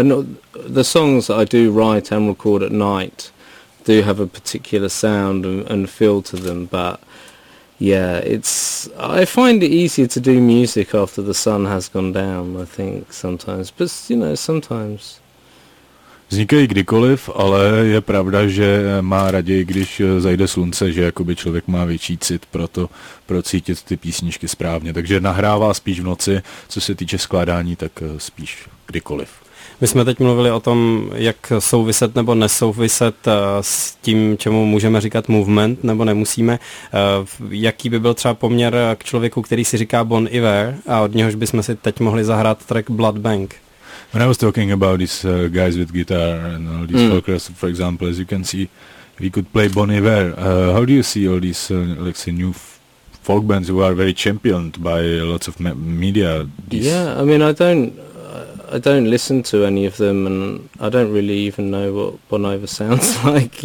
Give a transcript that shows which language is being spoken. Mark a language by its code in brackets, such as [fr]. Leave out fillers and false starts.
[en] And the songs that I do write and record at night do have a particular sound and feel to them. But yeah, I find it easier to do music after the sun has gone down, I think, sometimes. But, you know, sometimes. [cs] Vznikají kdykoliv, ale je pravda, že má raději, když zajde slunce, že jakoby člověk má větší cit pro to, procítit ty písničky správně. Takže nahrává spíš v noci, co se týče skládání, tak spíš kdykoliv. My jsme teď mluvili o tom, jak souviset nebo nesouviset s tím, čemu můžeme říkat movement, nebo nemusíme. Jaký by byl třeba poměr k člověku, který si říká Bon Iver, a od něhož bychom si teď mohli zahrát track Blood Bank? [en] When I was talking about these guys with guitar and all these folkers, for example, as you can see, we could play Bon Iver. How do you see all these, like, say, new folk bands who are very championed by lots of media? Yeah, I mean, I don't listen to any of them, and I don't really even know what Bon Iver sounds like.